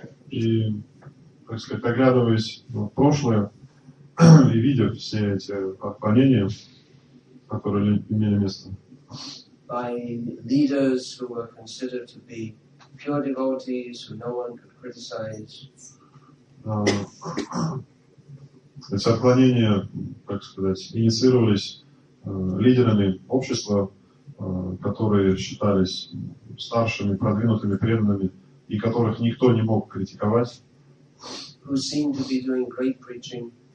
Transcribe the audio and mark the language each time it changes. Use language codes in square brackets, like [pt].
[ru] И, так сказать, оглядываясь в прошлое и видя все эти отклонения, которые имели место. [en] By leaders who were considered to be pure devotees, who no one could criticize. [ru] Эти отклонения, так сказать, инициировались лидерами общества, которые считались старшими, продвинутыми, преданными, и которых никто не мог критиковать. [en] Who seemed to be doing great preaching.